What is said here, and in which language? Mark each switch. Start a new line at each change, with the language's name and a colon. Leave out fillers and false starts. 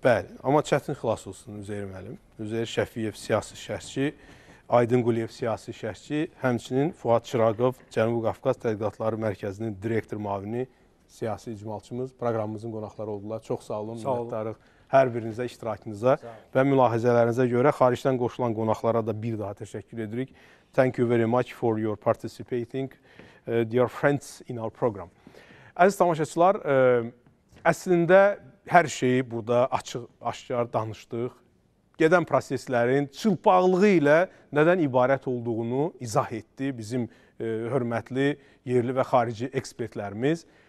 Azerbaijani: Bəli, amma çətin xilas olsun Üzeyir müəllim. Üzeyir Şəfiyev siyasi şərhçi, Aydın Quliyev siyasi şərhçi, həmçinin Fuad Çırağov Cənubi Qafqaz Tədqiqatları Mərkəzinin direktor müavini siyasi icmalçımız proqramımızın qonaqları oldular. Çox sağ olun, minnətdarıq. Hər birinizə, iştirakınıza və mülahizələrinizə görə xaricdən qoşulan qonaqlara da bir daha təşəkkür edirik.
English: Thank you very much for your participating, dear friends in our program.
Azerbaijani: Əziz tamaşaçılar, əslində hər şeyi burada açıq-aşkar danışdıq. Gedən proseslərin çılpaqlığı ilə nədən ibarət olduğunu izah etdi bizim hörmətli yerli və xarici ekspertlərimiz.